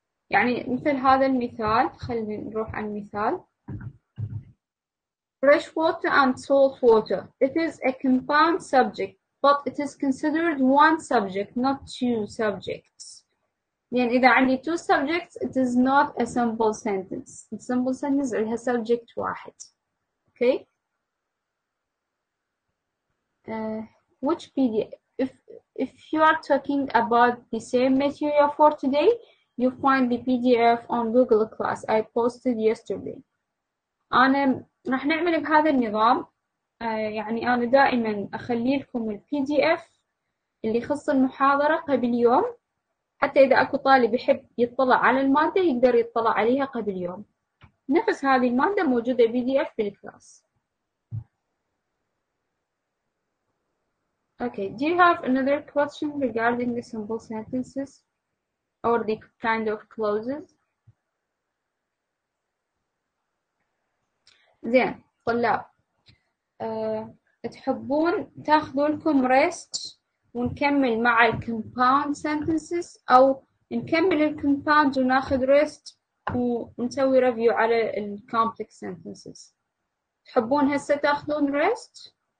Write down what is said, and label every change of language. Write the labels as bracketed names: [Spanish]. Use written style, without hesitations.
[Arabic] يعني مثل هذا المثال خلينا نروح على المثال [English] fresh water and salt water it is a compound subject but it is considered one subject not two subjects [Arabic] يعني إذا عندي [English] two subjects it is not a simple sentence a simple sentence عليها subject واحد okay which PDF If you are talking about the same material for today, you find the PDF on Google Class I posted yesterday. [Arabic] أنا راح نعمل بهذا النظام، يعني أنا دائما أخلي لكم الـ PDF اللي يخص المحاضرة قبل يوم، حتى إذا أكو طالب يحب يطلع على المادة يقدر يطلع عليها قبل يوم. نفس هذه المادة موجودة PDF في الكلاس. [English] Okay, do you have another question regarding the simple sentences or the kind of clauses? [Arabic] زين طلاب، تحبون تاخذوا لكم rest ونكمل مع ال [English] compound sentences [Arabic] أو نكمل ال compound وناخذ rest ونسوي review على ال [English] complex sentences؟ [Arabic] تحبون هسه تاخذون rest؟